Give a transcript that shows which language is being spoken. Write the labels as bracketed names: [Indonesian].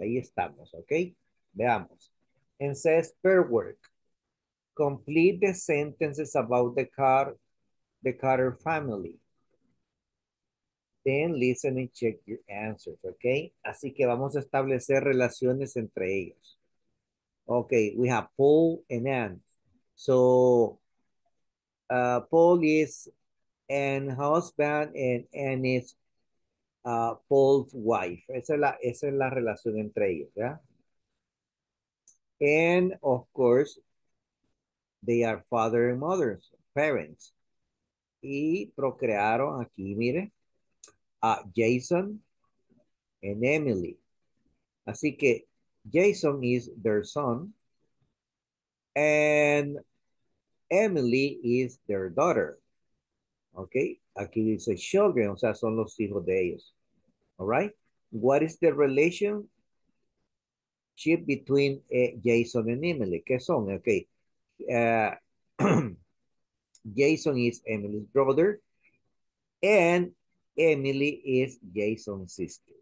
[Spanish] Ahí estamos, [English] okay? [Spanish] Veamos. [English] And says pair work. Complete the sentences about the Carter family. Then listen and check your answers, okay? [Spanish] Así que vamos a establecer relaciones entre ellos. [English] Okay, we have Paul and Anne. So, Paul is an husband and Anne is Paul's wife. [Spanish] Esa es la relación entre ellos, ¿ya? [English] And, of course, they are father and mother, parents. [Spanish] Y procrearon aquí, mire, Jason and Emily. Así que [English] Jason is their son. And Emily is their daughter. [Spanish] Okay, aquí dice children, o sea, son los hijos de ellos. [English] All right, what is the relationship between Jason and Emily? [Spanish] ¿Qué son? [English] Okay, Jason is Emily's brother and Emily is Jason's sister.